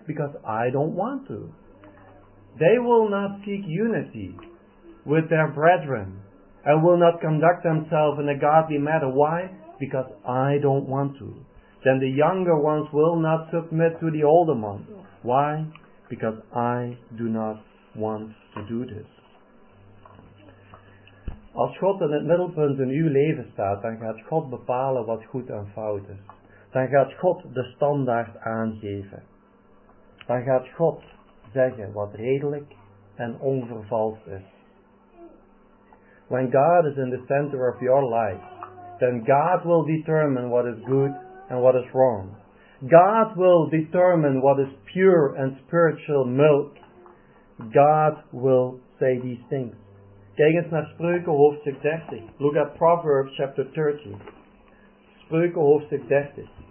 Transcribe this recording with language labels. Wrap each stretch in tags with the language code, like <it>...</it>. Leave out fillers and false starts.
<en>Because I don't want to. They will not seek unity with their brethren and will not conduct themselves in a godly manner. Why? Because I don't want to. Then the younger ones will not submit to the older ones. Why? Because I do not want to do this.</en> <nl>Als God in het middelpunt in uw leven staat, dan gaat God bepalen wat goed en fout is. Dan gaat God de standaard aangeven. Dan gaat God zeggen wat redelijk en onvervals is.</nl> <en>When God is in the center of your life, then God will determine what is good and what is wrong. God will determine what is pure and spiritual milk. God will say these things.</en> <nl>Kijk eens naar Spreuken hoofdstuk 30.</nl> <en>Look at Proverbs chapter 30.</en> <nl>Spreuken hoofdstuk 30.</nl>